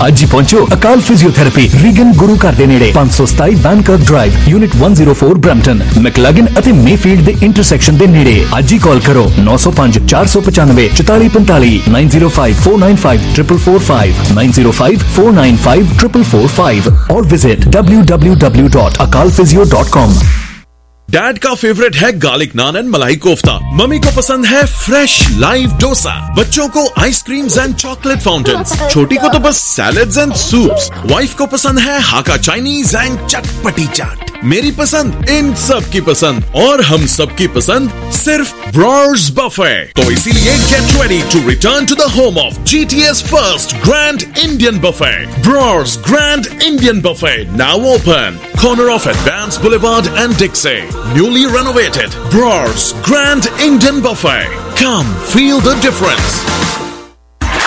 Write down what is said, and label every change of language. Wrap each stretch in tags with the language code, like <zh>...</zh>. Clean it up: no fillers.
<pa>ਅੱਜ ਪਹੁੰਚੋ ਅਕਾਲ physiotherapy Reagan ਗੁਰੂ ਘਰ ਦੇ ਨੇੜੇ 527 ਬੈਂਕਰ ਡਰਾਈਵ ਯੂਨਿਟ 104 ਬ੍ਰੈਂਪਟਨ ਮੈਕਲਾਗਨ ਅਤੇ ਮੇਫੀਲਡ ਦੇ ਇੰਟਰਸੈਕਸ਼ਨ ਦੇ ਨੇੜੇ। ਅੱਜ ਹੀ ਕਾਲ ਕਰੋ 905-495-4445 9054954545 ਔਰ ਵਿਜ਼ਿਟ www.akalphysio.com।</pa> <hi>डैड का फेवरेट है गार्लिक नान एंड मलाई कोफ्ता। मम्मी को पसंद है फ्रेश लाइव डोसा। बच्चों को आइसक्रीम्स एंड चॉकलेट फाउंटेन्स। छोटी को तो बस सैलड्स एंड सूप्स। वाइफ को पसंद है हाका चाइनीज एंड चटपटी चाट। मेरी पसंद इन सब की पसंद और हम सब की पसंद सिर्फ ब्रॉर्स बफे। तो इसीलिए</hi> <en>Get ready to return to the home of GTA's first grand Indian buffet. Brawl's grand Indian buffet now open corner of advance boulevard and Dixie. Newly renovated Brawl's Grand Indian Buffet. Come feel the difference.</en>